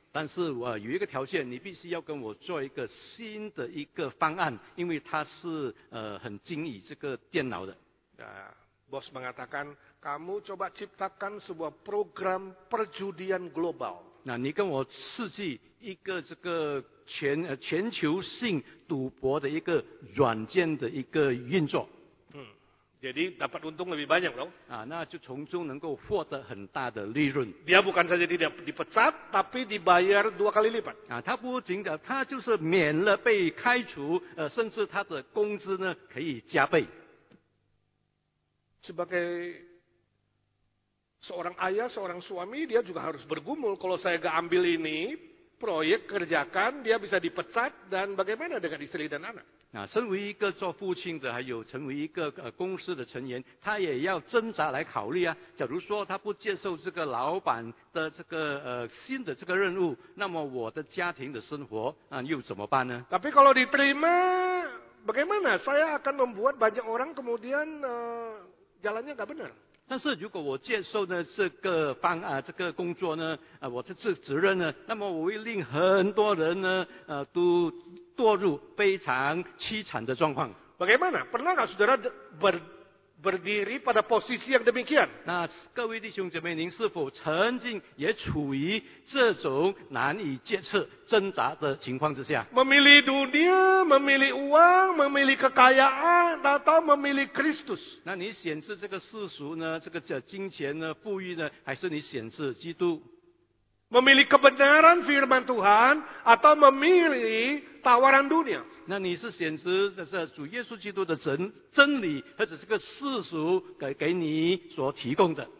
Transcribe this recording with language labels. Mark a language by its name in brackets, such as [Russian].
[Chinese] 但是有一个条件，你必须要跟我做一个新的一个方案，因为他是很精于这个电脑的。 [Indonesian] Ya. Bos mengatakan, kamu coba ciptakan sebuah program perjudian global. [Chinese] Nah, 你跟我设计一个这个全球性赌博的一个软件的一个运作。 [Indonesian] Jadi dapat untung lebih banyak, loh. [Chinese] 那就从中能够获得很大的利润。 [Indonesian] Dia bukan saja tidak dipecat, tapi dibayar dua kali lipat. [Chinese] 他就是免了被开除，甚至他的工资呢可以加倍。 [Indonesian] Sebagai seorang ayah, seorang suami, dia juga harus bergumul. Kalau saya gak ambil ini, proyek kerjakan, dia bisa dipecat, dan bagaimana dengan istri dan anak? [Chinese] Nah, 身为一个做父亲的，还有成为一个公司的成员，他也要挣扎来考虑啊。假如说他不接受这个老板的这个新的这个任务，那么我的家庭的生活又怎么办呢？ [Indonesian] Tapi kalau diterima, bagaimana? Saya akan membuat banyak orang kemudian jalannya enggak benar. [Chinese] 但是如果我接受呢这个方啊这个工作呢，我的职责任呢，那么我会令很多人呢堕入非常凄惨的状况。 [Indonesian] Bagaimana? Pernahkah saudara berdiri pada posisi yang demikian? [Chinese] Nah, 各位弟兄姐妹，您是否曾经也处于这种难以解释挣扎的情况之下？ [Indonesian] Memilih dunia, memilih uang, memilih kekayaan, atau memilih Kristus? [Chinese] 那你选择这个世俗呢，这个金钱呢，富裕呢，还是你选择基督？ [Indonesian] Memilih kebenaran firman Tuhan atau memilih tawaran dunia? [Chinese] 那你是选择这是主耶稣基督的真理，或者这个世俗给你所提供的？